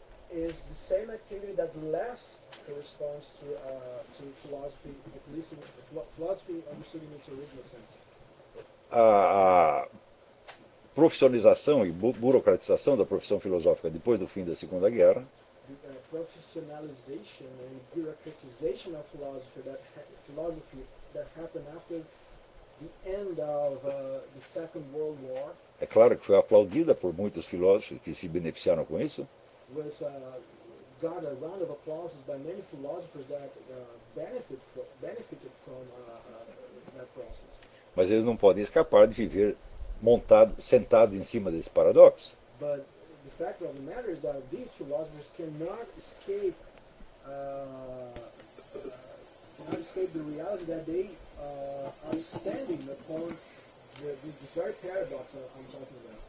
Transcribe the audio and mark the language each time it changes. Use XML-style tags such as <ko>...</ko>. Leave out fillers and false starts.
<en>Is the same activity that less corresponds to philosophy, at least in philosophy understood in its original sense.</en> <pt>A profissionalização e burocratização da profissão filosófica depois do fim da Segunda Guerra.</pt> <en>The professionalization and bureaucratization of philosophy that happened after the end of the Second World War.</en> <pt>É claro que foi aplaudida por muitos filósofos que se beneficiaram com isso.</pt> <en>Was got a round of applauses by many philosophers that benefited from that process.</en> <pt>Mas eles não podem escapar de viver montado, sentado em cima desse paradoxo.</pt> <en>But the fact of the matter is that these philosophers cannot escape the reality that they are standing upon this very paradox I'm talking about.</en>